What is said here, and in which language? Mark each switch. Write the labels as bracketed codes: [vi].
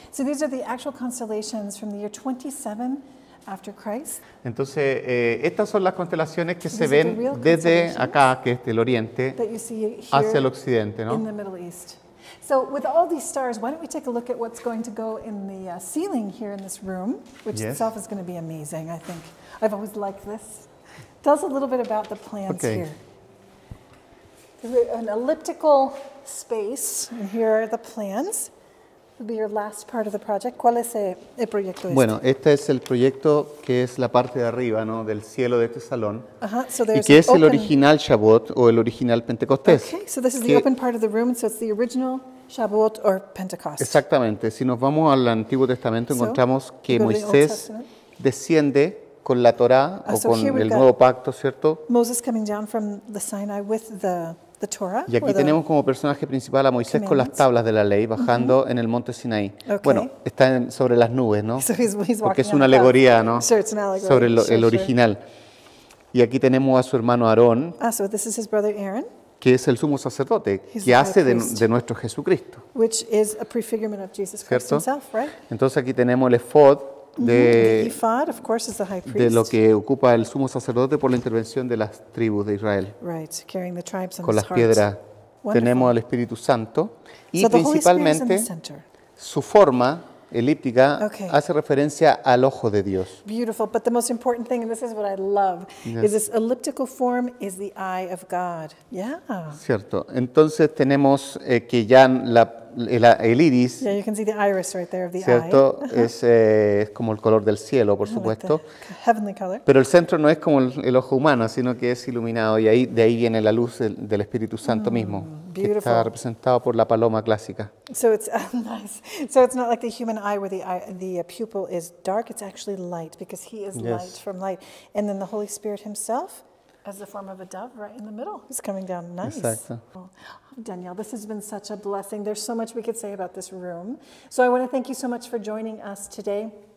[en] So these are the actual constellations from the year 27 after Christ. [es] Entonces, estas son las constelaciones que se ven desde acá, que es el oriente, hacia el occidente, ¿no? [en] In the Middle East. So with all these stars, why don't we take a look at what's going to go in the ceiling here in this room, which yes. itself is going to be amazing, I think. I've always liked this. Tell us a little bit about the plans okay. here. An elliptical space, and here are the plans. It'll be your last part of the project. [es] ¿Cuál es el proyecto este? Bueno, este es el proyecto que es la parte de arriba, ¿no?, del cielo de este salón. [en] Uh-huh. So there's [es] y que es el original Shavuot o el original Pentecostés. [en] Okay, so this is the open part of the room, so it's the original Shavuot or Pentecost. [es] Exactamente. Si nos vamos al Antiguo Testamento, encontramos que Moisés desciende con la Torá o con el Nuevo Pacto, ¿cierto? [en] Moses coming down from the Sinai with the Torah. [es] Y aquí tenemos como personaje principal a Moisés con las tablas de la ley bajando en el monte Sinaí. [en] Okay. [es] Bueno, está sobre las nubes, ¿no? [en] So he's [es] porque es una alegoría, ¿no? [en] Sure, it's an allegory. [es] Sobre el original. [en] Sure. [es] Y aquí tenemos a su hermano Aarón. [en] Ah, so this is his brother Aaron. [es] Que es el sumo sacerdote, [en] he's [es] que hace de nuestro Jesucristo. [en] Which is a prefigurement of Jesus Christ [es] ¿cierto? [en] Himself, right? [es] Entonces aquí tenemos el efod de, [en] the ephod, of course, is the high priest. [es] De lo que ocupa el sumo sacerdote por la intervención de las tribus de Israel. [en] Right, carrying the tribes on [es] con las piedras. [en] Wonderful. [es] Tenemos al Espíritu Santo. Y [en] so [es] principalmente, [en] the Holy Spirit is in the center. [es] Su forma elíptica [en] okay. [es] hace referencia al ojo de Dios. [en] Beautiful, but the most important thing, and this is what I love, yes. is this elliptical form is the eye of God. Yeah. [es] Cierto. Entonces tenemos que ya el iris. [en] Yeah, you can see the iris right there of the [es] cierto, [en] eye. [es] Cierto, es como el color del cielo, por supuesto. [en] Like the heavenly color. [es] Pero el centro no es como el ojo humano, sino que es iluminado y ahí de ahí viene la luz del Espíritu Santo mismo. [en] Beautiful. [es] Que está representado por la paloma clásica. [en] So it's nice. So it's not like the human eye where the pupil is dark. It's actually light because he is yes. light from light. And then the Holy Spirit himself as the form of a dove right in the middle. He's coming down. Nice. [es] Exacto. [en] Danielle, this has been such a blessing. There's so much we could say about this room. So I want to thank you so much for joining us today.